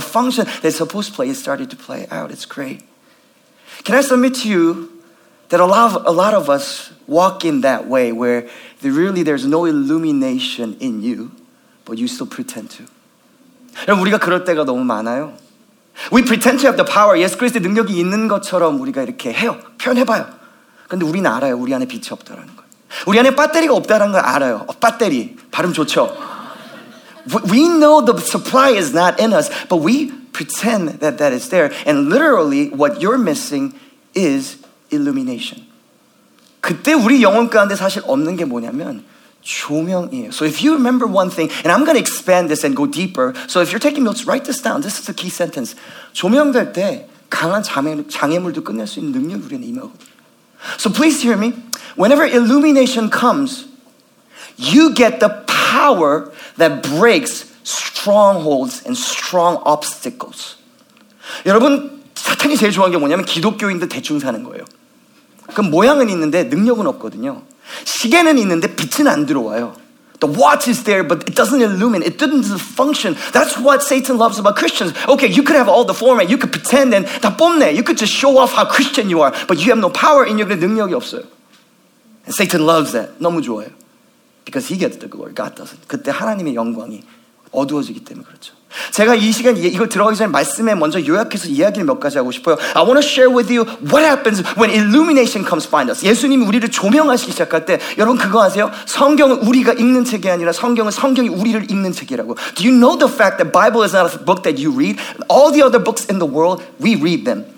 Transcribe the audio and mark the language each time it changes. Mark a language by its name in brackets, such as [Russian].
[English] The function that's supposed to play, it started to play out. It's great. Can I submit to you that a lot of us walk in that way where really there's no illumination in you, but you still pretend to. [Korean] 여러분, 우리가 그럴 때가 너무 많아요. [English] We pretend to have the power. [Korean] 예수 그리스도의 능력이 있는 것처럼 우리가 이렇게 해요. 표현해봐요. 근데 우리는 알아요. 우리 안에 빛이 없다라는 거예요. 우리 안에 배터리가 없다는 걸 알아요. 배터리, 발음 좋죠? [English] We know the supply is not in us, but we pretend that that is there. And literally, what you're missing is illumination. [Korean] 그때 우리 영혼 가운데 사실 없는 게 뭐냐면 조명이에요. [English] So if you remember one thing, and I'm going to expand this and go deeper. So if you're taking notes, write this down. This is the key sentence. [Korean] 조명될 때 강한 장애물도 끝낼 수 있는 능력이 우리는 임하거든요. [English] So please hear me. Whenever illumination comes, you get the power that breaks strongholds and strong obstacles. [Korean] 여러분, 사탄이 제일 좋아하는 게 뭐냐면 기독교인들 대충 사는 거예요. 그럼 모양은 있는데 능력은 없거든요. 시계는 있는데 빛은 안 들어와요. [English] The watch is there, but it doesn't illuminate. It doesn't function. That's what Satan loves about Christians. Okay, you could have all the format. You could pretend and [Korean] 다 뽐내. [English] You could just show off how Christian you are. But you have no power in your [Korean] 능력이 없어요. [English] And Satan loves that. [Korean] 너무 좋아요. [English] Because he gets the glory. God doesn't. [Korean] 그때 하나님의 영광이 어두워지기 때문에 그렇죠. 제가 이 시간 이걸 들어가기 전에 말씀에 먼저 요약해서 이야기를 몇 가지 하고 싶어요. [English] I want to share with you what happens when illumination comes find us. [Korean] 예수님이 우리를 조명하시기 시작할 때 여러분 그거 아세요? 성경은 우리가 읽는 책이 아니라 성경은 성경이 우리를 읽는 책이라고. [English] Do you know the fact that Bible is not a book that you read? All the other books in the world, we read them.